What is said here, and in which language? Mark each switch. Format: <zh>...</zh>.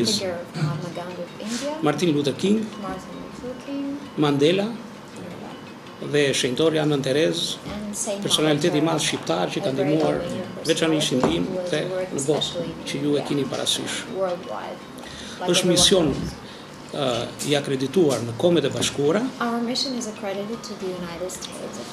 <en>It's a figure of Mahatma Gandhi of India. Martin Luther King. Mandela.</en> <sq>Dhe shenjtori Anën Terezë, personaliteti I madh shqiptar që ka ndihmuar veçanërisht në ndihmë dhe në botë që ju e keni parasysh. Është mision I akredituar në Komitetin e Bashkuar.</sq> <en>Our mission is accredited to the United States.</en>